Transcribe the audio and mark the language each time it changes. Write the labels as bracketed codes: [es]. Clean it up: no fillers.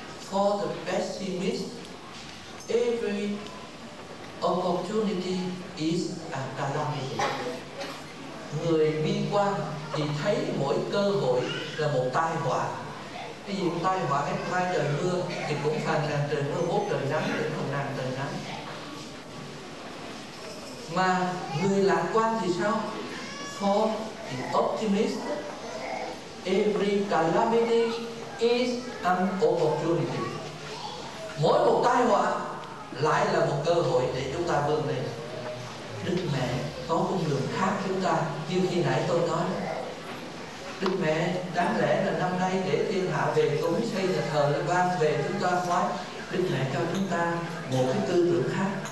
[en] for the pessimist, every opportunity is a calamity. [vi] Người bi quan thì thấy mỗi cơ hội là một tai họa. Ví dụ tai họa hết hai trời mưa thì cũng phàn nàn trời mưa, bốn trời nắng thì không nàn trời nắng. Mà người lạc quan thì sao? [en] For the optimist, every calamity is an opportunity. [vi] Mỗi một tai họa lại là một cơ hội để chúng ta vươn lên. Đức Mẹ có con đường khác chúng ta, như khi nãy tôi nói. Đức Mẹ đáng lẽ là năm nay để thiên hạ về cúng xây nhà thờ lên ban về chúng ta nói, Đức Mẹ cho chúng ta một cái tư tưởng khác.